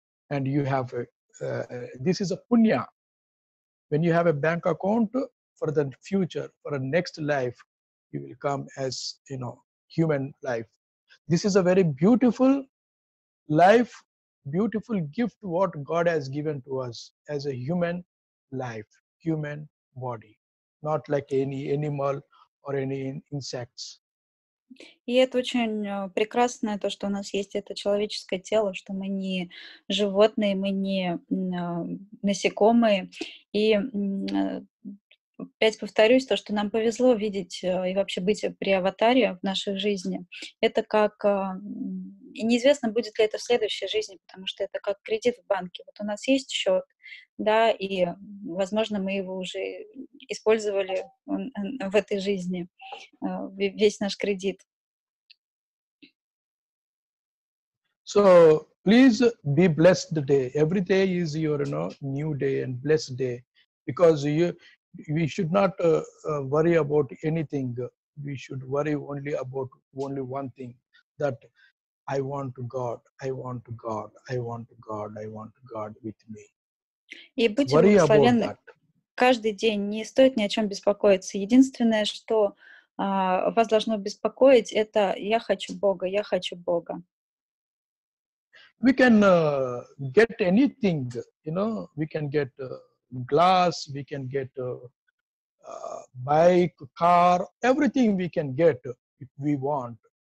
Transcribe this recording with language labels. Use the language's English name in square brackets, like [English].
[English] And you have, this is a punya. When you have a bank account for the future, for a next life, you will come as, you know, human life. This is a very beautiful life, beautiful gift what God has given to us as a human life, human body, not like any animal. Or any insects. [Russian] И это очень прекрасное то, что у нас есть это человеческое тело, что мы не животные, мы не насекомые. И опять повторюсь, то, что нам повезло видеть и вообще быть при аватаре в нашей жизни, это как... И неизвестно, будет ли это в следующей жизни, потому что это как кредит в банке. Вот у нас есть счет, да, и, возможно, мы его уже использовали в этой жизни, весь наш кредит. [English] So, please be blessed today. Every day is your, you know, new day and blessed day. Because we should not worry about anything. We should worry only about only one thing, that I want God, I want God, I want God, I want God with me. [Russian] И будьте благословенны каждый день. Не стоит ни о чем беспокоиться. Единственное, что вас должно беспокоить, это я хочу Бога, я хочу Бога. [English] We can get anything, you know, we can get glass, we can get bike, car, everything we can get if we want.